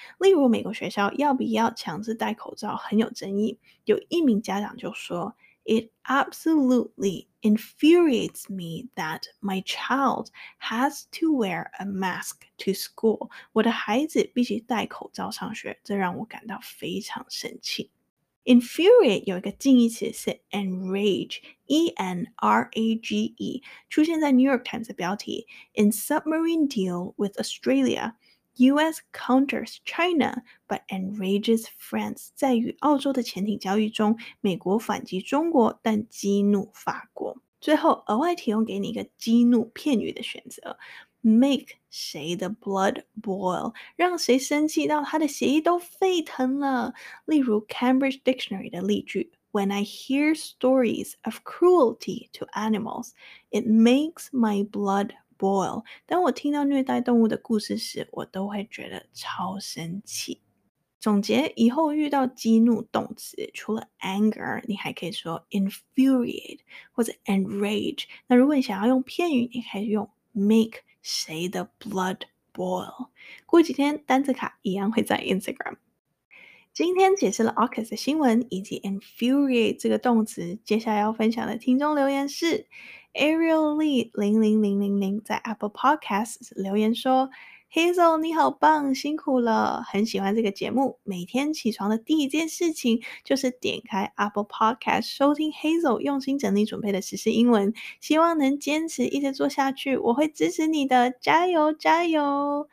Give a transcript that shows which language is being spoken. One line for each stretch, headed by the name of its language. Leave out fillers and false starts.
Chinese: 例如美国学校要不要强制戴口罩很有争议，有一名家长就说
English: It absolutely infuriates me that my child has to wear a mask to school，
Chinese: 我的孩子必须戴口罩上学，这让我感到非常生气。 Infuriate 有一个近义词是 enrage， E-N-R-A-G-E， 出现在 New York Times 的标题。
English: In submarine deal with Australia， U.S. counters China but enrages France，
Chinese: 在与澳洲的潜艇交易中，美国反击中国但激怒法国。最后额外提供给你一个激怒片语的选择，make 谁的 blood boil， 让谁生气到他的血液都沸腾了。例如 Cambridge Dictionary 的例句
English: When I hear stories of cruelty to animals, it makes my blood boil，
Chinese: 当我听到虐待动物的故事时，我都会觉得超生气。总结，以后遇到激怒动词，除了 anger， 你还可以说 infuriate 或者 enrage。那如果你想要用片语，你可以用 makeSay the blood boil。过几天单字卡一样会在 Instagram。今天解释了 AUKUS 的新闻以及 infuriate 这个动词，接下来要分享的听众留言是 Ariel Lee 00000在 Apple Podcast 留言说 Hazel 你好棒，辛苦了，很喜欢这个节目，每天起床的第一件事情就是点开 Apple Podcast 收听 Hazel 用心整理准备的时事英文，希望能坚持一直做下去，我会支持你的，加油加油。